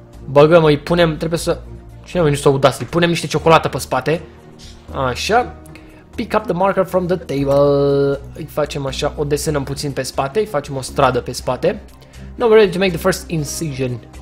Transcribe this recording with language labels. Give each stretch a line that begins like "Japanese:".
Romanian: Băgăm, îi punem, trebuie să... Cine a venit să o udați? Îi punem niște ciocolată pe spate. Așa.
English: Pick up the marker from the table.
Romanian: Îi facem așa, o desenăm puțin pe spate, îi facem o stradă pe spate.
English: Now we're ready to make the first incision.